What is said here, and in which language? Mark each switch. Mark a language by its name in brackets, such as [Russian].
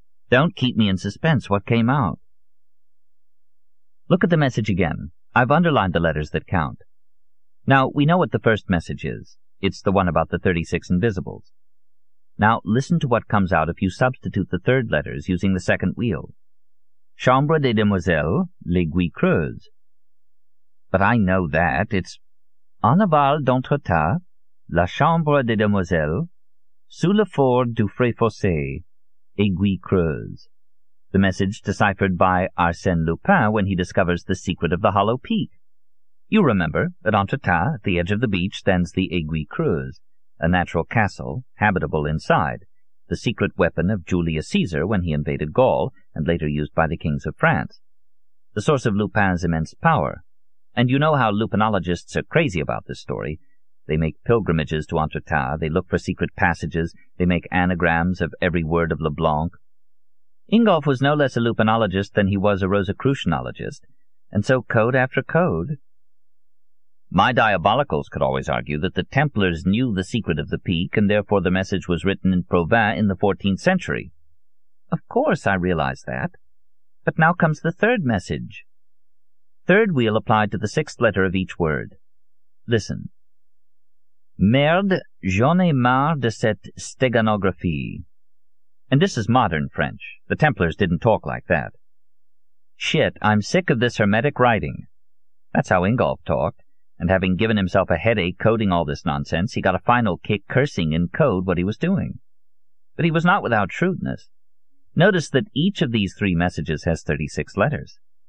[English] Don't keep me in suspense. What came out? Look at the message again. I've underlined the letters that count. Now, we know what the first message is. It's the one about the 36 invisibles. Now, listen to what comes out if you substitute the third letters using the second wheel. [French] Chambre des demoiselles, l'aiguille creuse. [English] But I know that. It's [French] en aval d'entretat, la chambre des demoiselles, sous le fort du Fré-Fossé, aiguille creuse. [English] The message deciphered by Arsène Lupin when he discovers the secret of the hollow peak. You remember that entretat, at the edge of the beach, stands the aiguille creuse, a natural castle, habitable inside, the secret weapon of Julius Caesar when he invaded Gaul, and later used by the kings of France. The source of Lupin's immense power. And you know how lupinologists are crazy about this story. They make pilgrimages to Entretat, they look for secret passages, they make anagrams of every word of Leblanc. Ingolf was no less a lupinologist than he was a Rosicrucianologist, and so code after code. My diabolicals could always argue that the Templars knew the secret of the peak, and therefore the message was written in Provence in the 14th century. Of course I realize that. But now comes the third message. Third wheel applied to the 6th letter of each word. Listen. [French] Merde, j'en ai marre de cette steganographie. [English] And this is modern French. The Templars didn't talk like that. Shit, I'm sick of this hermetic writing. That's how Ingolf talked. And having given himself a headache coding all this nonsense, he got a final kick cursing in code what he was doing. But he was not without shrewdness. Notice that each of these 3 messages has 36 letters.